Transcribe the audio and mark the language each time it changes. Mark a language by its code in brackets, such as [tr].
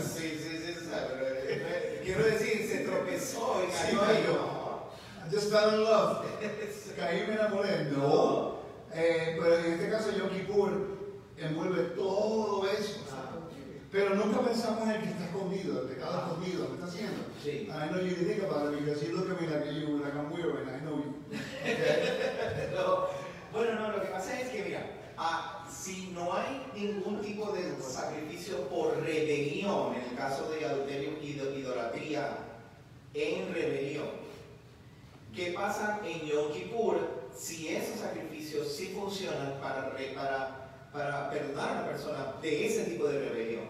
[es] Sí, o sea, pero, quiero decir, se tropezó y cayó. Sí, cayó. [en] Just fell in love. [es] Caí, me enamoré. No. Pero en este caso, Yom Kippur envuelve todo eso. Pero nunca pensamos en el que está escondido, el pecado escondido. ¿Qué está haciendo? Sí. [en] I know you didn't think about it, because you look at me like you were like I'm weird, and I know you. Okay. [es] No. Bueno, no, lo que pasa es que, mira, si no hay ningún tipo de sacrificio por rebelión, en el caso de adulterio y idolatría, en rebelión, ¿Qué pasa en Yom Kippur si esos sacrificios sí funcionan para perdonar a la persona de ese tipo de rebelión?